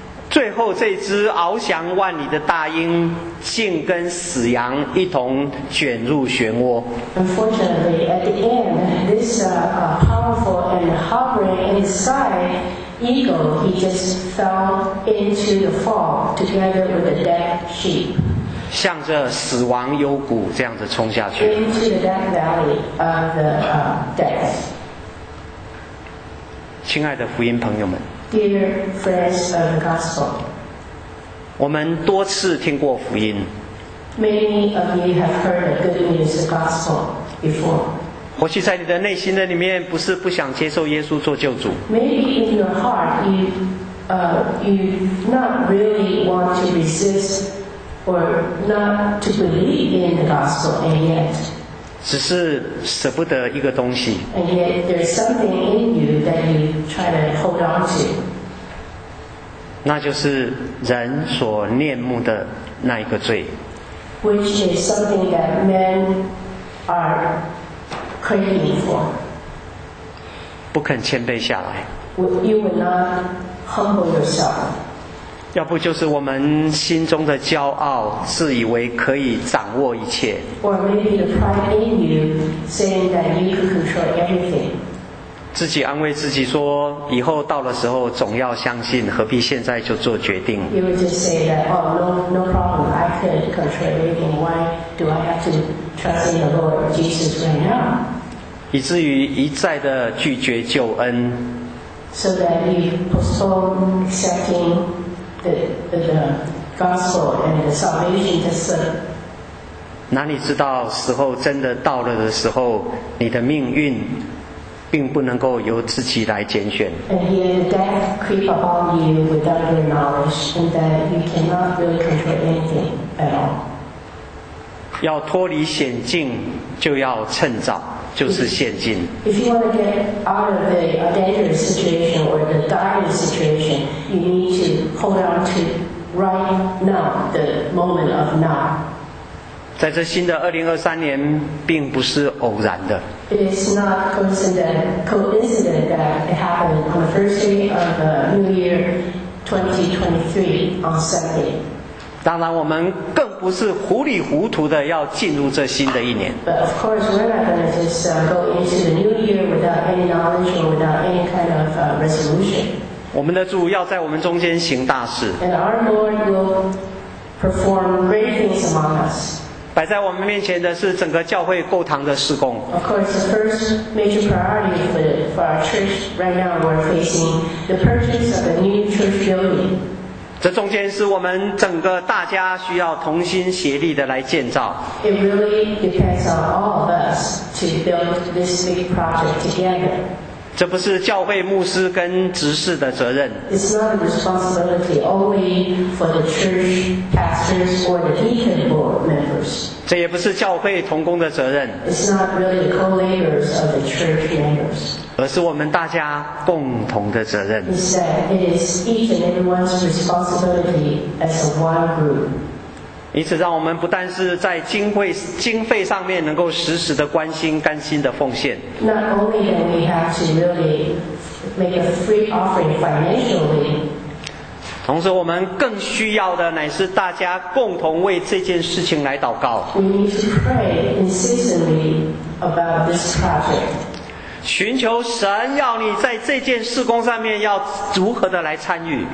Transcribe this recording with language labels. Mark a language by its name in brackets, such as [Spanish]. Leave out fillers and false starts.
[Chinese] 最后这只翱翔万里的大鹰竟跟死羊一同卷入漩涡。 [English] Unfortunately, at the end, this powerful and hovering inside eagle, he just fell into the fall together with a dead sheep. [Chinese] 向着死亡幽谷这样子冲下去。 [English] Into the death valley of the death. [Chinese] 亲爱的福音朋友们。 [English] Dear friends of the gospel, many of you have heard the good news of gospel before. [Chinese] 或许在你的内心的里面，不是不想接受耶稣做救主。 [English] Maybe in your heart, you not really want to resist or not to believe in the gospel, and yet. [Chinese] 只是舍不得一个东西。 [English] And yet there's something in you that you try to hold on to. [Chinese] 那就是人所念慕的那一个罪。 [English] Which is something that men are craving for. [Chinese] 不肯谦卑下来。 [English] You would not humble yourself. [Chinese] 要不就是我们心中的骄傲，自以为可以掌握一切。 [English] Or maybe the pride in you, saying that you can control everything. [Chinese] 自己安慰自己说，以后到了时候总要相信，何必现在就做决定？ [English] You would just say that, oh, no problem, I can control everything. Why do I have to trust in the Lord Jesus right now? [Chinese] 以至于一再的拒绝救恩。 [English] So that you postpone accepting. The gospel and the salvation just [Chinese] 哪里知道时候真的到了的时候，你的命运并不能够由自己来拣选。 [English] And here death creep upon you without your knowledge, and that you cannot really control anything at all. [Chinese] 要脱离险境，就要趁早，就是现今。 [English] If you want to get out of the dangerous situation or the dire situation, you need to hold on to right now, the moment of now. [Chinese] 在这新的2023年并不是偶然的。 [English] It is not coincident that it happened on the first day of the New Year 2023 on Sunday. [Chinese] 当然我们更不是糊里糊涂的要进入这新的一年。 [English] But of course, we're not going to just go into the new year without any knowledge or without any kind of resolution. [Chinese] 我们的主要在我们中间行大事。 [English] And our Lord will perform great things among us. [Chinese] 摆在我们面前的是整个教会构堂的事工。 [English] Of course, the first major priority for our church right now, we're facing the purchase of a new church building. [Chinese] 这中间是我们整个大家需要同心协力的来建造。 [English] It really depends on all of us to build this big project together. [Chinese] 这不是教会牧师跟执事的责任。 [English] It's not a responsibility only for the church pastors or the deacon board members. [Chinese] 这也不是教会同工的责任。 [English] It's not really the co-laborers of the church members. [Chinese] 而是我们大家共同的责任。 [English] He said it is each and everyone's responsibility as a one group. [Chinese] 因此让我们不但是在经费上面能够实时的关心甘心的奉献， [English] Not only that we have to really make a free offering financially， [Chinese] 同时我们更需要的乃是大家共同为这件事情来祷告。 [English] We need to pray insistently about this project， [Chinese] 寻求神要你在这件事工上面要如何的来参与。